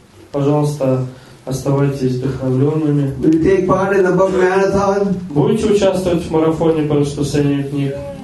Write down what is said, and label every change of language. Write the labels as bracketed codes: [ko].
[ru] Пожалуйста, оставайтесь вдохновленными. [en] Will you take part in the book marathon? [ru] Будете участвовать в марафоне по распространению книг?